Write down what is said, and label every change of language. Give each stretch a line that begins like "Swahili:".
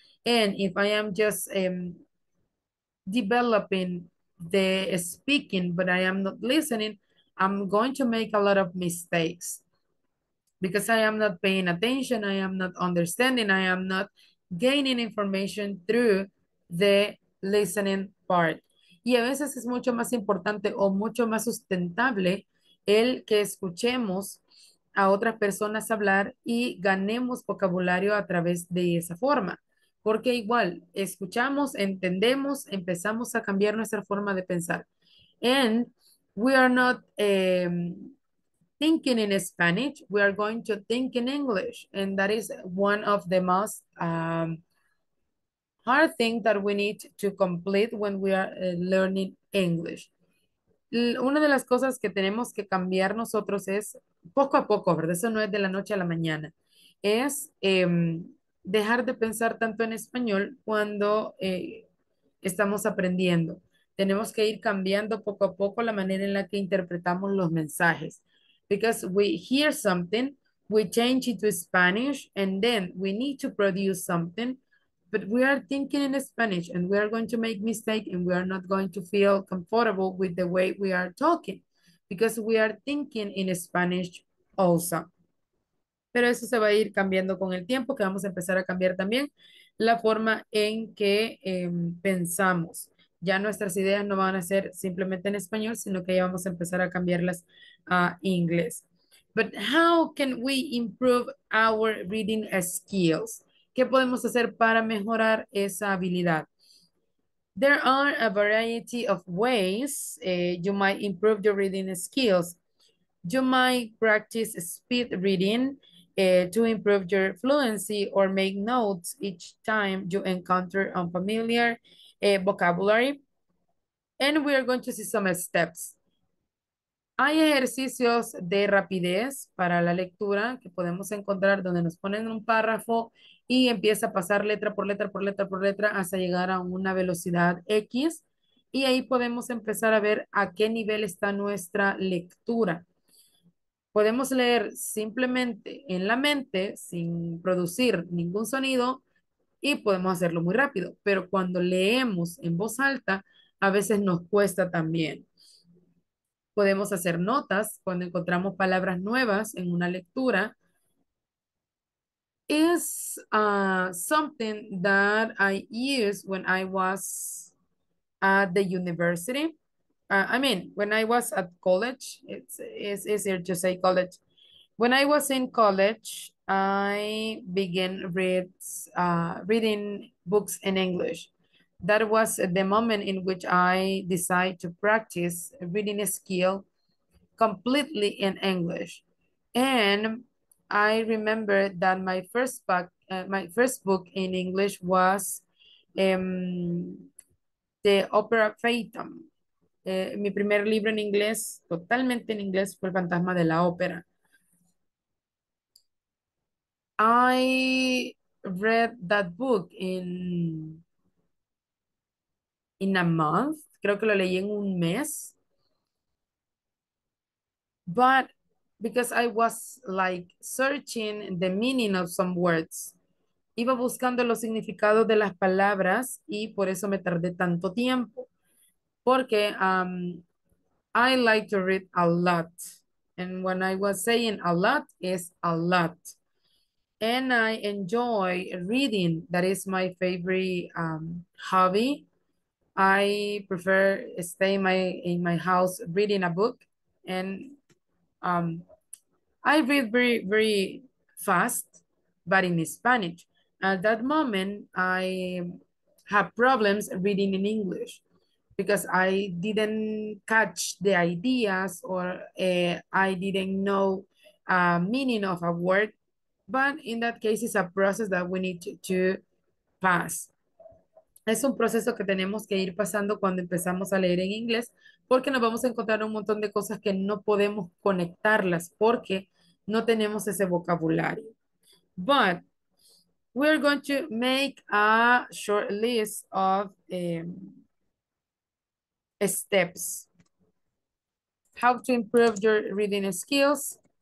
English: And if I am just developing the speaking, but I am not listening, I'm going to make a lot of mistakes because I am not paying attention, I am not understanding, I am not gaining information through the listening part.
Spanish: Y a veces es mucho más importante o mucho más sustentable el que escuchemos a otras personas hablar y ganemos vocabulario a través de esa forma. Porque igual, escuchamos, entendemos, empezamos a cambiar nuestra forma de pensar.
English: And we are not thinking in Spanish, we are going to think in English. And that is one of the most hard thing that we need to complete when we are learning English.
Spanish: Una de las cosas que tenemos que cambiar nosotros es, poco a poco, ¿verdad? Eso no es de la noche a la mañana. Es dejar de pensar tanto en español cuando estamos aprendiendo. Tenemos que ir cambiando poco a poco la manera en la que interpretamos los mensajes.
English: Because we hear something, we change it to Spanish, and then we need to produce something, but we are thinking in Spanish and we are going to make mistakes and we are not going to feel comfortable with the way we are talking because we are thinking in Spanish also.
Spanish: Pero eso se va a ir cambiando con el tiempo, que vamos a empezar a cambiar también la forma en que pensamos. Ya nuestras ideas no van a ser simplemente en español, sino que ya vamos a empezar a cambiarlas a inglés.
English: But how can we improve our reading skills?
Spanish: ¿Qué podemos hacer para mejorar esa habilidad?
English: There are a variety of ways you might improve your reading skills. You might practice speed reading to improve your fluency or make notes each time you encounter unfamiliar vocabulary. And we are going to see some steps.
Spanish: Hay ejercicios de rapidez para la lectura que podemos encontrar donde nos ponen un párrafo y empieza a pasar letra por letra por letra por letra hasta llegar a una velocidad X. Y ahí podemos empezar a ver a qué nivel está nuestra lectura. Podemos leer simplemente en la mente sin producir ningún sonido y podemos hacerlo muy rápido. Pero cuando leemos en voz alta, a veces nos cuesta también. Podemos hacer notas cuando encontramos palabras nuevas en una lectura.
English: Is something that I used when I was at the university. When I was at college, it's easier to say college. When I was in college, I began reading books in English. That was the moment in which I decided to practice reading a skill completely in English. And I remember that my first book in English was the opera Phantom.
Spanish: Mi primer libro en inglés, totalmente en inglés, fue El Fantasma de la Ópera.
English: I read that book in a month.
Spanish: Creo que lo leí en un mes.
English: But because I was like searching the meaning of some words.
Spanish: Iba buscando los significados de las palabras y por eso me tardé tanto tiempo. Porque
English: I like to read a lot. And when I was saying a lot, is a lot. And I enjoy reading. That is my favorite hobby. I prefer stay in my house reading a book. And I read very, very fast, but in Spanish. At that moment, I had problems reading in English, because I didn't catch the ideas or I didn't know meaning of a word. But in that case, it's a process that we need to pass.
Spanish: Es un proceso que tenemos que ir pasando cuando empezamos a leer en inglés, porque nos vamos a encontrar un montón de cosas que no podemos conectarlas porque no tenemos ese vocabulario.
English: But we're going to make a short list of steps. How to improve your reading skills.